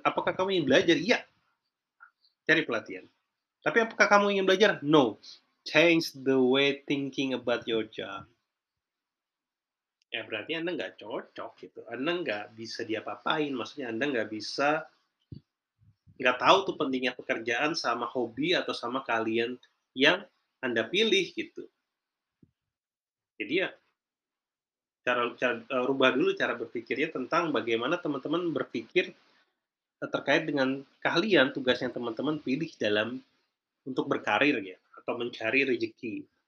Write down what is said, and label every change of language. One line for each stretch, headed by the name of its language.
Indonesian: Apakah kamu ingin belajar? Iya. Cari pelatihan. Tapi apakah kamu ingin belajar?
English: No. Change the way thinking about your job.
Indonesian: Ya, berarti Anda nggak cocok gitu. Anda nggak bisa diapa-apain. Maksudnya Anda nggak bisa, nggak tahu tuh pentingnya pekerjaan sama hobi atau sama kalian yang Anda pilih gitu. Jadi ya, rubah dulu cara berpikirnya tentang bagaimana teman-teman berpikir terkait dengan keahlian tugas yang teman-teman pilih dalam untuk berkarir ya, atau mencari rezeki.